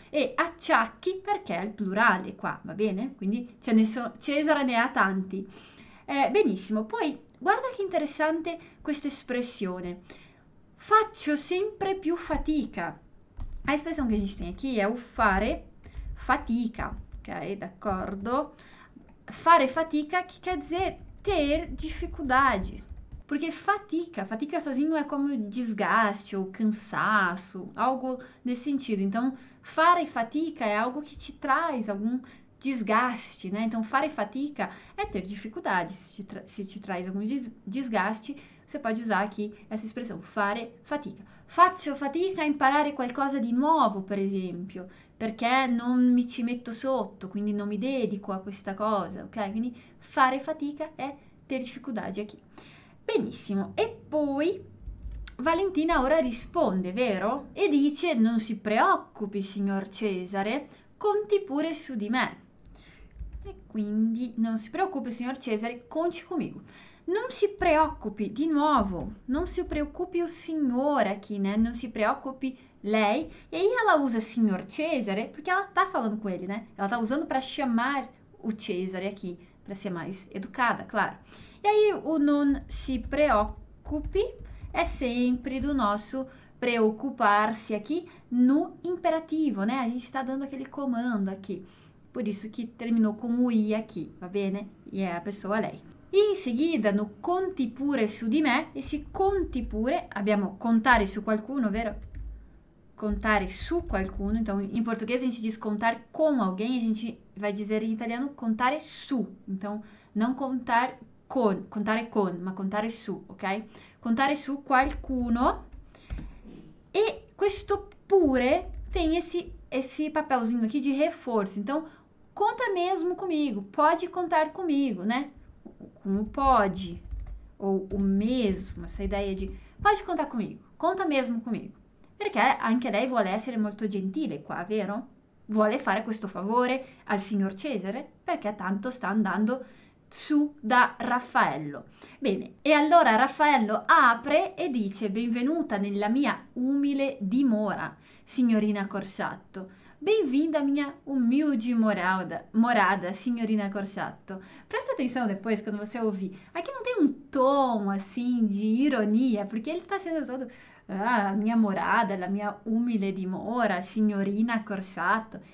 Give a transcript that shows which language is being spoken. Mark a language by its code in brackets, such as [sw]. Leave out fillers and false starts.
[it] E acciacchi perché è il plurale qua, va bene? Quindi Cesare ne ha tanti. Benissimo, poi guarda che interessante questa espressione. Faccio sempre più fatica. [pt] A expressão que a gente tem aqui é o fare fatica, ok? [it] D'accordo? [pt] Fare fatica, que quer dizer ter dificuldade. Porque fatica sozinho é como desgaste ou cansaço, algo nesse sentido. Então, fare fatica é algo que te traz algum desgaste, né? Então, fare fatica é ter dificuldade, se te traz algum desgaste, você pode usar aqui essa expressão, fare fatica. [it] Faccio fatica a imparare qualcosa di nuovo, per esempio, perché non mi ci metto sotto, quindi non mi dedico a questa cosa, ok? Quindi fare fatica è [pt] ter dificuldade aqui. [it] Benissimo, e poi Valentina ora risponde, vero? E dice, non si preoccupi, signor Cesare, conti pure su di me. E quindi non si preoccupi, signor Cesare, conti comigo. Non si preoccupi, di nuovo, non si preoccupi o signora [pt] aqui, né? [it] Non si preoccupi lei. [pt] E aí ela usa senhor Cesare porque ela tá falando com ele, né? Ela tá usando para chamar o Cesare aqui, para ser mais educada, claro. E aí o [it] non si preoccupi [pt] é sempre do nosso preocupar-se aqui no imperativo, né? A gente tá dando aquele comando aqui. Por isso que terminou com o i aqui, tá bem, né? E é a pessoa lei. [it] E in seguida, no conti pure su di me, e se conti pure, abbiamo contare su qualcuno, vero? [pt] Contare su qualcuno, então em português a gente diz contar com alguém, a gente vai dizer em italiano contare su. Então, não [it] contare con, ma contare su, [pt] ok? [it] Contare su qualcuno. E questo pure [pt] tem esse papelzinho aqui de reforço. Então, conta mesmo comigo, pode contar comigo, né? Como pode, ou o mesmo, essa ideia de pode contar comigo, conta mesmo comigo. [it] Perché anche lei vuole essere molto gentile qua, vero? Vuole fare questo favore al signor Cesare, perché tanto sta andando su da Raffaello. Bene, e allora Raffaello apre e dice benvenuta nella mia umile dimora, signorina Corsatto. [pt] Bem-vinda à minha humilde morada, senhorina Corsatto. Presta atenção depois, quando você ouvir. Aqui não tem um tom, assim, de ironia, porque ele está sendo usado... Ah, minha morada, [it] la mia umile dimora, [pt] signorina Corsatto.